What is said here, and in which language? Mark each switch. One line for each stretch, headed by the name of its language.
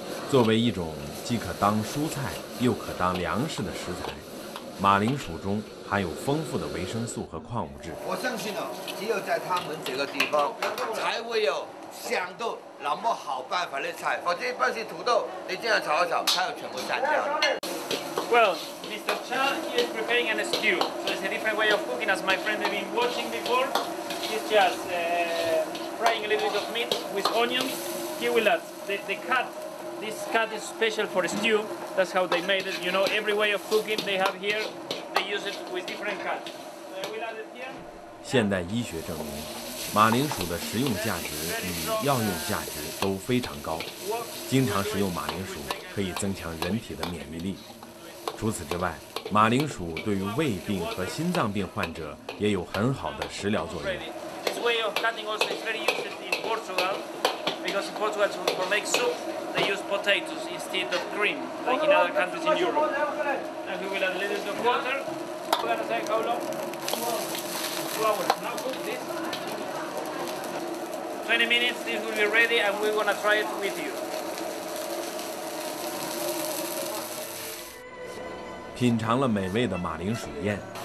Chinese: 作为一种既可当蔬菜又可当粮食的食材，马铃薯中含有丰富的维生素和矿物质。我相信只有在他们这个地方才会有想到那么好办法的菜，否则一般是土豆，你这样炒一炒，它要全部散掉。
English: Well, Mr. Cha, he is preparing a stew. So it's a different way of cooking, as my friend has been watching before. He's just frying a little bit of meat with onions. Here we have this cut is special for a stew. That's how they made it. You know, every way of cooking they have here, they use it with different cuts. So we'll add it here.
Chinese: 现代医学证明，马铃薯的食用价值与药用价值都非常高。经常食用马铃薯可以增强人体的免疫力。除此之外，马铃薯对于胃病和心脏病患者也有很好的食疗作用。
English: This way of cutting also is very useful in Portugal. because in Portugal, to make soup, they use potatoes instead of cream, like in other countries in Europe. And we will add a little bit of water. We're going to take how long? 2 hours. Now cook this. 20 minutes, this will be ready, and we're going to try it with you.
Chinese: 品尝了美味的马铃薯宴。